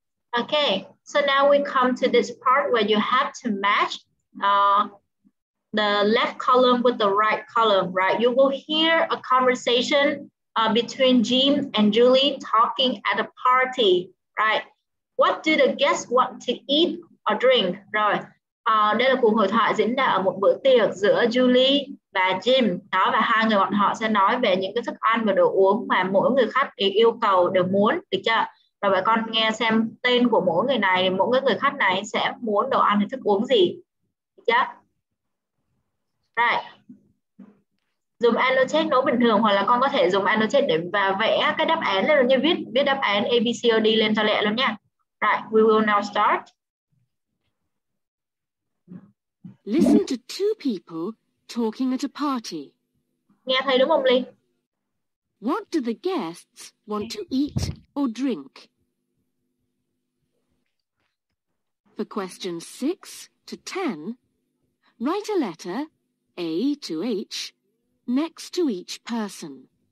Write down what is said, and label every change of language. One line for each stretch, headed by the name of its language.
English: Okay, so now we come to this part where you have to match the left column with the right column, right? You will hear a conversation between Jim and Julie talking at a party, right? What do the guests want to eat or drink?
Vietnamese: Rồi, đây là cuộc hội thoại diễn ra ở một bữa tiệc giữa Julie và Jim. Đó, và hai người bọn họ sẽ nói về những cái thức ăn và đồ uống mà mỗi người khách yêu cầu đều muốn, được chưa? Rồi bọn con nghe xem tên của mỗi người này, mỗi người khách này sẽ muốn đồ ăn hay thức uống gì. Được chưa? Right. Dùng annotate nó bình thường hoặc là con có thể dùng annotate để và vẽ cái đáp án lên luôn nha. Viết đáp án A, B, C, O, D lên cho lẹ luôn nha.
English: Right. We will now start. Listen to two people talking at a party.
Vietnamese: Nghe thấy đúng không Ly?
English: What do the guests want to eat or drink? For questions 6 to 10, write a letter A to H next to each person.